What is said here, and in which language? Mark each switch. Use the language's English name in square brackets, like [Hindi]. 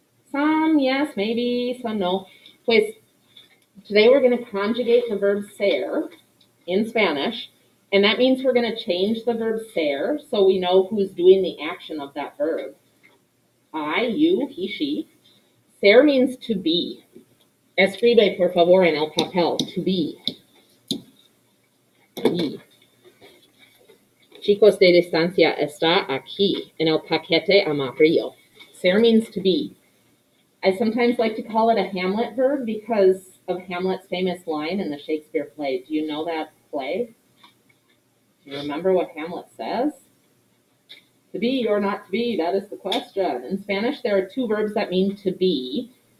[English] Some, yes, maybe, some, no. Pues, today we're going to conjugate the verb ser in Spanish, and that means we're going to change the verb ser so we know who's doing the action of that verb. I, you, he, she. Ser means to be. [Spanish] Escribe, por favor, en el papel, [English] to be. [Spanish] Chicos de distancia está aquí en el paquete amarillo. [English] Ser means to be. I sometimes like to call it a Hamlet verb because of Hamlet's famous line in the Shakespeare play. Do you know that play? Do you remember what Hamlet says? To be or not to be, that is the question. In Spanish, there are two verbs that mean to be.